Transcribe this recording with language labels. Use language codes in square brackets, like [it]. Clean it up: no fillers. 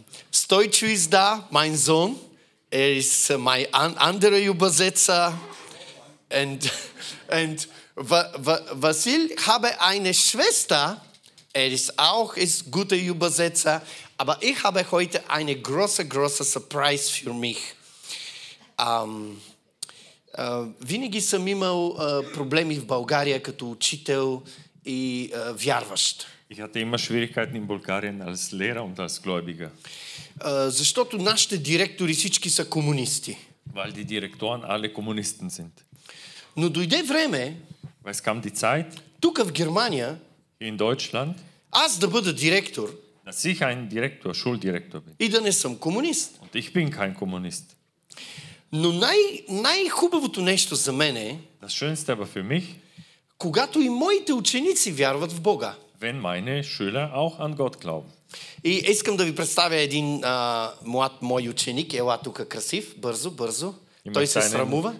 [de] Stoichu ist da, mein Sohn. Er ist mein anderer Übersetzer. Und Vasil habe eine Schwester, er ist auch ein guter Übersetzer, aber ich habe heute eine große, große Surprise für mich. [bg] Винаги съм имал проблеми в България като учител и вярващ. [de] Ich hatte immer Schwierigkeiten in Bulgarien als Lehrer und als Gläubiger. [bg] Защото нашите директори всички са комунисти. [de] Weil die Direktoren alle Kommunisten sind. [bg] Но дойде време, [de] es kam die Zeit, [bg] тук в Германия, [de] in Deutschland, [bg] аз да бъда директор, [de] dass ich ein Direktor, Schuldirektor bin. [bg] И да не съм комунист. [de] Und ich bin kein Kommunist. [bg] Но най-хубавото нещо за мен е, [de] das Schönste aber für mich, [bg] когато и моите ученици вярват в Бога. [de] Wenn meine Schüler auch an Gott glauben. [bg] И искам да ви представя един млад мой ученик. Ела тук красив, бързо. [de] Ich [bg] той се срамува.